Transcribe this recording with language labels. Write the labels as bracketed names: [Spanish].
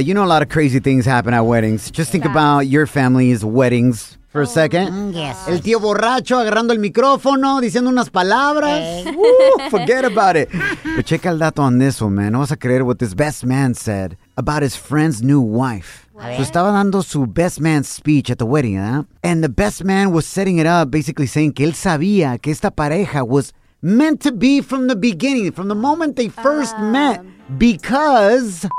[English] You know a lot of crazy things happen at weddings. Just think about your family's weddings for a second. Yes. [Spanish] El tío borracho agarrando el micrófono, diciendo unas palabras. [English] Forget about it. But check el dato on this one, man. No vas a creer what this best man said about his friend's new wife. So estaba dando su best man speech at the wedding, ¿eh? And the best man was setting it up, basically saying que él sabía que esta pareja was meant to be from the beginning, from the moment they first met, because...